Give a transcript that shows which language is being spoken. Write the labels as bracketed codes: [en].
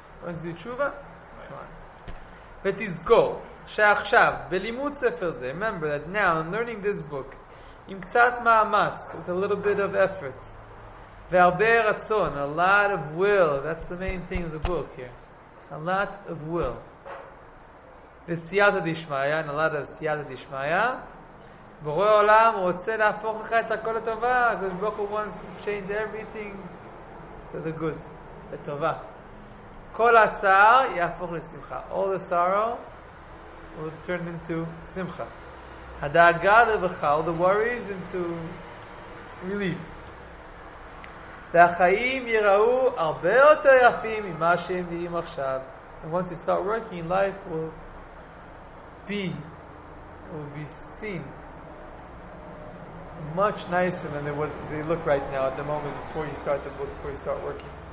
[en] When you do tshuva, [he] ותזכור שעכשיו בלימוד ספר זה, [en] remember that now I'm learning this book [he] עם קצת מאמץ, [en] with a little bit of effort, [he] והרבה רצון, [en] a lot of will, that's the main thing of the book here, a lot of will, [he] וסייעתא דשמיא, [en] and a lot of סייעתא דשמיא, [he] בורא עולם רוצה להפוך לך את הכל לטובה, [en] הקדוש ברוך הוא wants to change everything to the good, לטובה. [he] כל הצער יהפוך לשמחה. [en] All the sorrow will turn into שמחה. [he] הדאגה לרווחה, [en] all the worries into relief. [he] והחיים יראו הרבה יותר יפים ממה שהם נראים עכשיו. [en] And once you start working, life will be seen much nicer than they look right now at the moment before you start the book, before you start working.